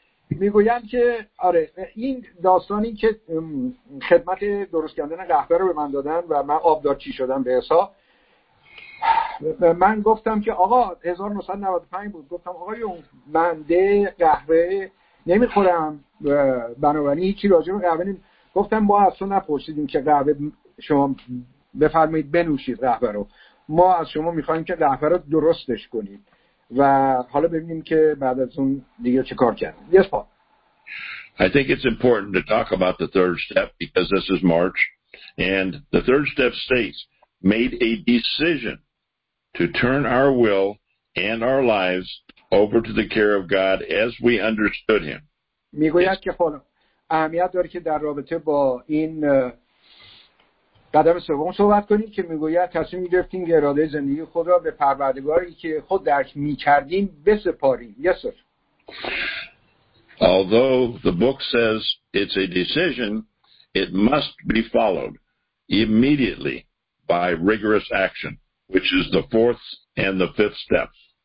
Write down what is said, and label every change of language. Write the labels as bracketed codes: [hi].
[fa] میگویم که آره این داستانی که خدمت درست کردن قهوه رو به من دادن و من آبدارچی شدم به حساب، من گفتم که آقا 1995 بود، گفتم آقای اون منده قهوه نمیخورم، بنابراین هیچی راجع به قهوه نمی... گفتم ما از تو نپرسیدیم که قهوه شما بفرمایید بنوشید قهوه رو، ما از شما میخواییم که قهوه رو درستش کنید و حالا ببینیم که بعد از اون دیگه چه کار کرد. [en] Yes, Paul. I think it's important to talk about the third step because this is March and the third step states made a decision to turn our will and our lives over to the care of God as we understood him. [fa] میگوید که حالا اهمیت داره که در رابطه با این قدم سوم صحبت کنیم که میگوید تصمیم گرفتیم که اراده زندگی خود را به پروردگاری که خود درک میکردیم بسپاریم. [en] Yes, sir. Although the book says it's a decision, it must be followed immediately by rigorous action, which is the fourth and the fifth steps.